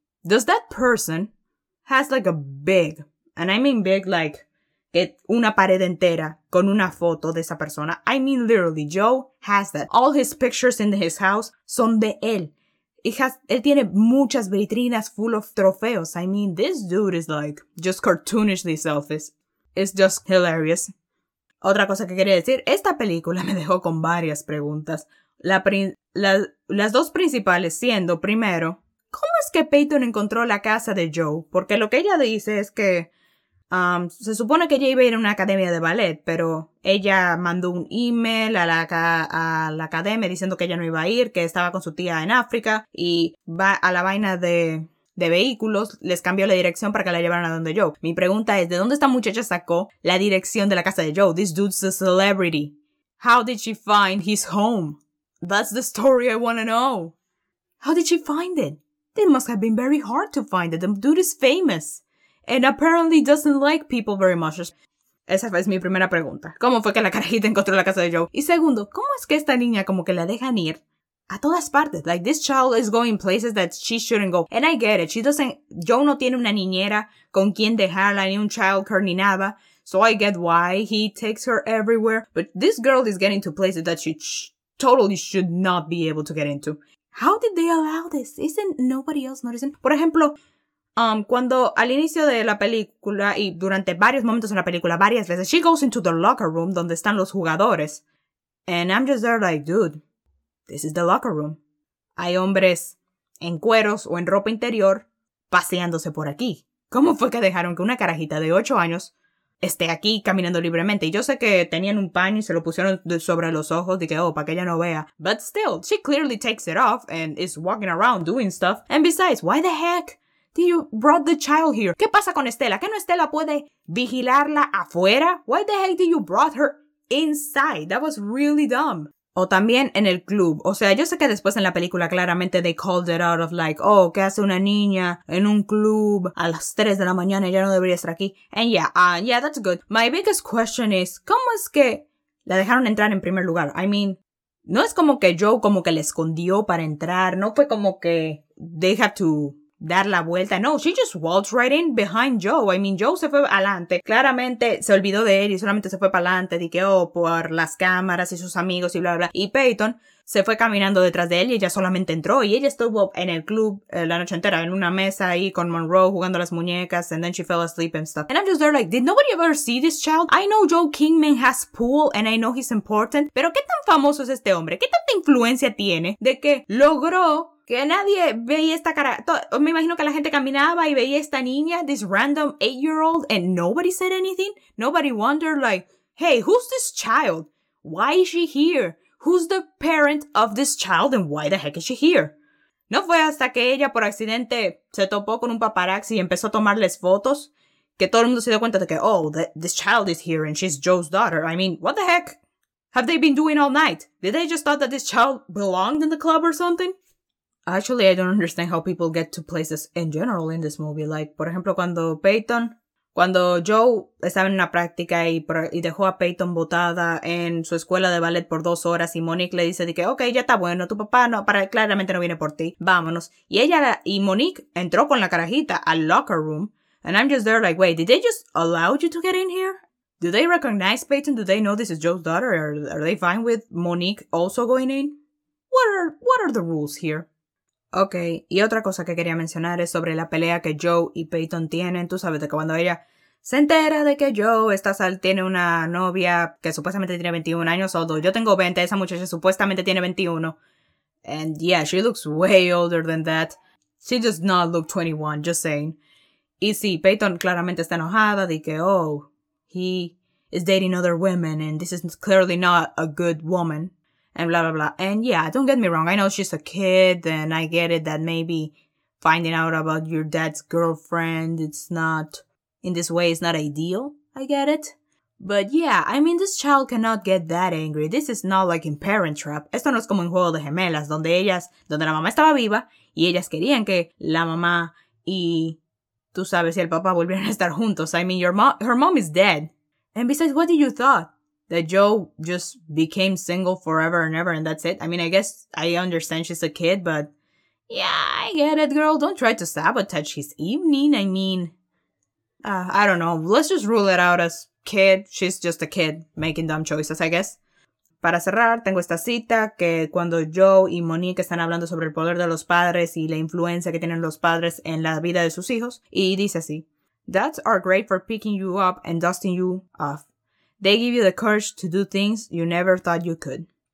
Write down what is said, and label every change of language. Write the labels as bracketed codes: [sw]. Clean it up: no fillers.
[en] Does that person has like a big, and I mean big like [es] una pared entera con una foto de esa persona. [en] I mean literally, Joe has that. All his pictures in his house [es] son de él. Él tiene muchas vitrinas [en] full of [es] trofeos. [en] I mean, this dude is like just cartoonishly selfish. It's just hilarious. [es] Otra cosa que quería decir, esta película me dejó con varias preguntas. Las dos principales siendo, primero, ¿cómo es que Peyton encontró la casa de Joe? Porque lo que ella dice es que se supone que ella iba a ir a una academia de ballet, pero ella mandó un email a la academia diciendo que ella no iba a ir, que estaba con su tía en África, y va a la vaina de vehículos, les cambió la dirección para que la llevaran a donde Joe. Mi pregunta es, ¿de dónde esta muchacha sacó la dirección de la casa de Joe? [en] This dude's a celebrity. How did she find his home? That's the story I want to know. How did she find it? It must have been very hard to find it. The dude is famous. And apparently doesn't like people very much. [es] Esa es mi primera pregunta. ¿Cómo fue que la carajita encontró la casa de Joe? Y segundo, ¿cómo es que esta niña como que la dejan ir a todas partes? [en] Like, this child is going places that she shouldn't go. And I get it. [es] Joe no tiene una niñera con quien dejarla, ni un child care, ni nada. [en] So I get why he takes her everywhere. But this girl is getting to places that she... totally should not be able to get into. How did they allow this? Isn't nobody else noticing? [es] Por ejemplo, cuando al inicio de la película y durante varios momentos en la película, varias veces, [en] she goes into the locker room [es] donde están los jugadores. [en] And I'm just there like, dude, this is the locker room. [es] Hay hombres en cueros o en ropa interior paseándose por aquí. ¿Cómo fue que dejaron que una carajita de 8 años esté aquí caminando libremente? Y yo sé que tenían un paño y se lo pusieron sobre los ojos y que, oh, para que ella no vea. [en] But still, she clearly takes it off and is walking around doing stuff. And besides, why the heck did you brought the child here? [es] ¿Qué pasa con Estela? ¿Que no Estela puede vigilarla afuera? [en] Why the heck did you brought her inside? That was really dumb. [es] O también en el club. O sea, yo sé que después en la película claramente [en] they called it out of like, [es] oh, ¿qué hace una niña en un club a las 3 de la mañana? Ya no debería estar aquí. [en] And yeah, that's good. My biggest question is, [es] ¿cómo es que la dejaron entrar en primer lugar? [en] I mean, [es] no es como que Joe como que le escondió para entrar. No fue como que [en] they had to [es] dar la vuelta. [en] No, she just waltzed right in behind Joe. I mean, [es] Joe se fue adelante. Claramente se olvidó de él y solamente se fue para adelante. Dije, oh, por las cámaras y sus amigos y bla, bla. Y Peyton se fue caminando detrás de él y ella solamente entró. Y ella estuvo en el club la noche entera, en una mesa ahí con Monroe jugando las muñecas. [en] And then she fell asleep and stuff. And I'm just there like, did nobody ever see this child? I know Joe Kingman has pool and I know he's important. [es] Pero ¿qué tan famoso es este hombre? ¿Qué tanta influencia tiene de que logró que nadie veía esta cara? Me imagino que la gente caminaba y veía esta niña, [en] this random 8-year-old, and nobody said anything. Nobody wondered, like, hey, who's this child? Why is she here? Who's the parent of this child and why the heck is she here? [es] No fue hasta que ella por accidente se topó con un paparazzi y empezó a tomarles fotos que todo el mundo se dio cuenta de que, oh, [en] this child is here and she's Joe's daughter. I mean, what the heck have they been doing all night? Did they just thought that this child belonged in the club or something? Actually, I don't understand how people get to places in general in this movie. [es] Like, por ejemplo, cuando Joe estaba en una práctica y dejó a Peyton botada en su escuela de ballet por 2 horas y Monique le dice de que, okay, ya está bueno, tu papá no, para, claramente no viene por ti, vámonos. Y ella y Monique entró con la carajita [en] al locker room and I'm just there like, wait, did they just allow you to get in here? Do they recognize Peyton? Do they know this is Joe's daughter? Or are they fine with Monique also going in? What are the rules here? [es] Okay, y otra cosa que quería mencionar es sobre la pelea que Joe y Peyton tienen. Tú sabes de que cuando ella se entera de que Joe tiene una novia que supuestamente tiene 21 años, although yo tengo 20, esa muchacha supuestamente tiene 21. [en] And yeah, she looks way older than that. She does not look 21, just saying. [es] Y sí, Peyton claramente está enojada de que, oh, [en] he is dating other women and this is clearly not a good woman. And blah, blah, blah. And yeah, don't get me wrong. I know she's a kid and I get it that maybe finding out about your dad's girlfriend, it's not, in this way, it's not ideal. I get it. But yeah, I mean, this child cannot get that angry. This is not like in Parent Trap. [es] Esto no es como en Juego de Gemelas, donde la mamá estaba viva y ellas querían que la mamá y tú sabes si el papá volvieran a estar juntos. [en] I mean, her mom is dead. And besides, what did you thought? That Joe just became single forever and ever and that's it. I mean, I guess I understand she's a kid, but yeah, I get it, girl. Don't try to sabotage his evening. I mean, I don't know. Let's just rule it out as kid. She's just a kid making dumb choices, I guess. [es] Para cerrar, tengo esta cita que cuando Joe y Monique están hablando sobre el poder de los padres y la influencia que tienen los padres en la vida de sus hijos. Y dice así. [en] Dads are great for picking you up and dusting you off. They give you the courage to do things you never thought you could.